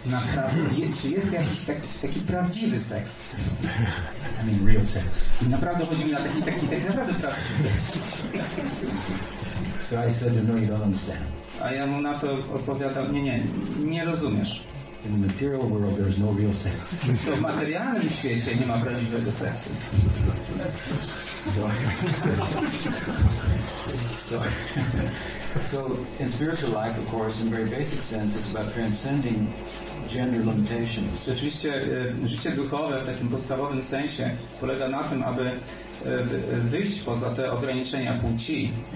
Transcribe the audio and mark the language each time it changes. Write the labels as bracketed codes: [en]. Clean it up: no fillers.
[pl] Naprawdę, czy jest jakiś taki prawdziwy seks? [en] I mean real sex. [pl] Naprawdę chodzi mi na taki tak naprawdę prawdziwy. [en] So I said, no, you don't understand. [pl] A ja mu na to odpowiadam, nie rozumiesz. [en] In the material world there is no real sex. [pl] To w materialnym świecie nie ma prawdziwego seksu. [en] So in spiritual life, of course, in very basic sense, it's about transcending gender limitations. [pl] Oczywiście życie duchowe w takim podstawowym sensie polega na tym, aby wyjść poza te ograniczenia płci